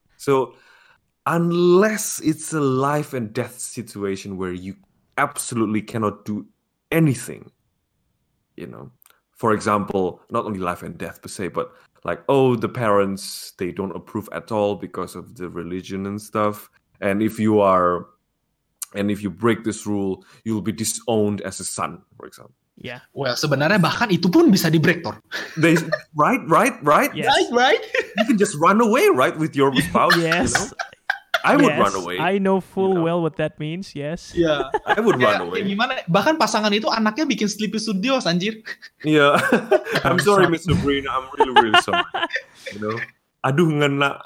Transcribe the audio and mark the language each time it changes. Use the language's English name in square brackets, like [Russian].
[English] So unless it's a life and death situation where you absolutely cannot do anything, you know, for example, not only life and death per se, but like, oh, the parents, they don't approve at all because of the religion and stuff. And if you are, and if you break this rule, you'll be disowned as a son, for example. Yeah. [Indonesian] Well, sebenarnya bahkan itu pun bisa di [English] break, [Indonesian] Tor. [English] Right? Yes. Right? You can just run away, right, with your spouse. Yes. You know? I would yes. run away. I know full you know? Well what that means, yes. Yeah. I would yeah. run away. [Indonesian] Gimana? Bahkan pasangan itu anaknya bikin Sleepy Studios, anjir. [English] Yeah. I'm sorry, Miss Sabrina. I'm really, really sorry. You know? [Indonesian] Aduh, ngena.